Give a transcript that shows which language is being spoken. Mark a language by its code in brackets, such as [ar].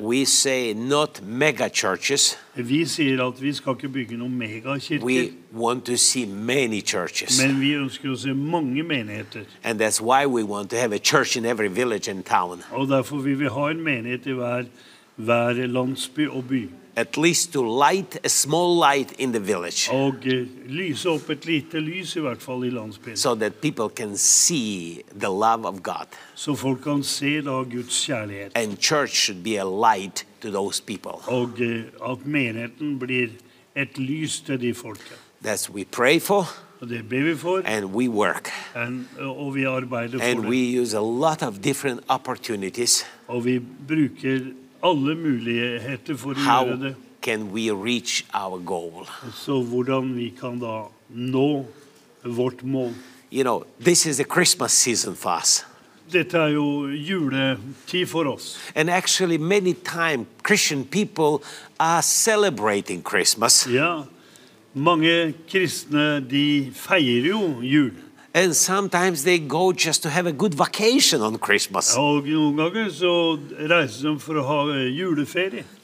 [en] We say not mega churches. [no] Vi sier at vi skal ikke bygge noen megakirker. [en] We want to see many churches. [no] Men vi ønsker å se mange menigheter. [en] And that's why we want to have a church in every village and town. [no] Og derfor vil vi ha en menighet I hver landsby og by. [en] At least to light a small light in the village. [no] Og lyse opp et lite lys I hvert fall I landsbyen. [en] So that people can see the love of God. [no] Så folk kan se da Guds kjærlighet. [en] And church should be a light to those people. [no] Og at menigheten blir et lys til de folket. [en] That's we pray for. [no] Og det ber vi for. [en] And we work. [no] Og vi arbeider for det. [en] And we use a lot of different opportunities. [no] Og vi bruker alle muligheter for å gjøre det. [en] How can we reach our goal? [no] Så hvordan vi kan da nå vårt mål. [en] You know, this is the Christmas season for us. [no] Dette jo juletid for oss. [en] And actually many times Christian people are celebrating Christmas. [no] Ja, mange kristne de feirer jo jul. [en] And sometimes they go just to have a good vacation on Christmas. [no] Og noen ganger så reiser de for å ha juleferie.